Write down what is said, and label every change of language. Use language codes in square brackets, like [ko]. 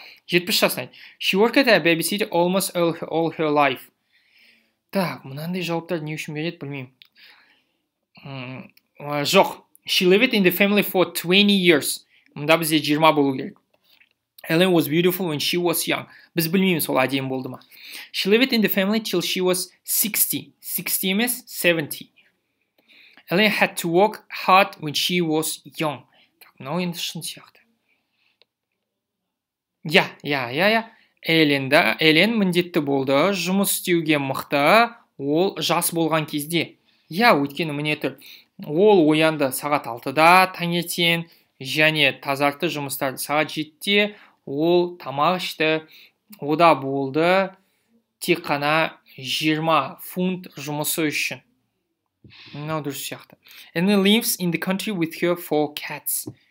[kk] 70 жасында. [en] She worked as a babysitter almost all her life. [kk] Так, мынандай жауаптар не үшін береді, білмеймін. Жоқ. [en] She lived in the family for 20 years. [kk] Мында бізде 20 болу керек. [en] Ellen was beautiful when she was young. [kk] Біз білмейміз, ол әдемі болды ма. [en] She lived in the family till she was 60. [kk] 60 емес, 70. [en] Ellen had to work hard when she was young. [kk] Так, мынау енді шын сияқты. Элен міндетті болды, жұмыс істеуге мықты, ол жас болған кезде. Өйткені міне тұр, ол оянды сағат 6-да таңертең, және тазартты жұмыстарды сағат 7-те, ол тамақ ішті, ода болды, тек қана 20 фунт жұмысы үшін. Мынау дұрыс сияқты. [en] And he lives in the country with her 4 cats.